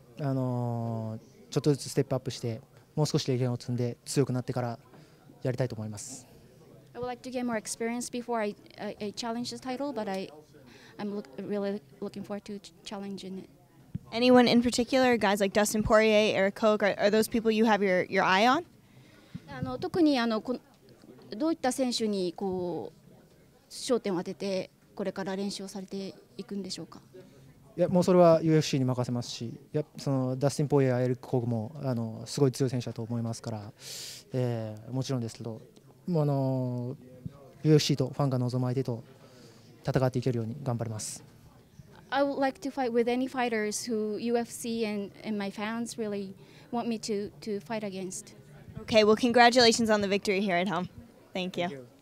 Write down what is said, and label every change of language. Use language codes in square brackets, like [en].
[ja] ちょっとずつステップアップして、もう少し経験を積んで強くなってからやりたいと思います。 [en] I would like to get more experience before I challenge the title, but I'm really looking forward to challenging it. Anyone in particular, guys like Dustin Poirier, Eric Koch, are those people you have your eye on? [ja] 特にどういった選手にこう焦点を当ててこれから練習をされていくんでしょうか。いや、もうそれは UFC に任せますし、いや、そのダスティン・ポイエやエリック・コーグもすごい強い選手だと思いますから、もちろんですけど。 UFC とファンが望む相手と戦っていけるように頑張ります。 [en] I would like to fight with any fighters who UFC and my fans really want me to fight against. Okay, well, congratulations on the victory here at home. Thank you.